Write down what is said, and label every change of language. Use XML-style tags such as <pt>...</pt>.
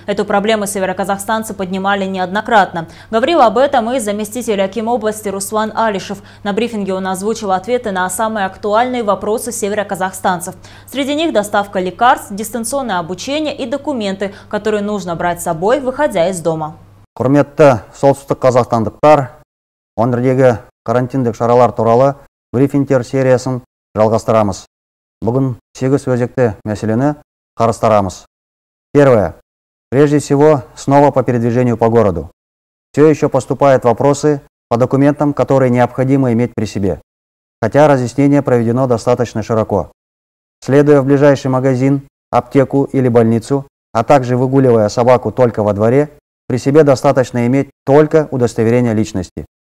<ru>Эту проблему североказахстанцы поднимали неоднократно. Говорил об этом и заместитель акима области Руслан Алишев. На брифинге он озвучил ответы на самые актуальные вопросы североказахстанцев. Среди них доставка лекарств, дистанционное обучение и документы, которые нужно брать с собой, выходя из дома.</ru> <kk>Құрметті солтүстік қазақстандықтар, өңірдегі карантиндік шаралар туралы брифингтер сериясын жалғастырамыз. Бүгін 8 өзекті мәселені қарастырамыз.</kk> <ru>Первое. Прежде всего, снова по передвижению по городу. Все еще поступают вопросы по документам, которые необходимо иметь при себе. Хотя разъяснение проведено достаточно широко. Следуя в ближайший магазин, аптеку или больницу, а также выгуливая собаку только во дворе, при себе достаточно иметь только удостоверение личности.</ru>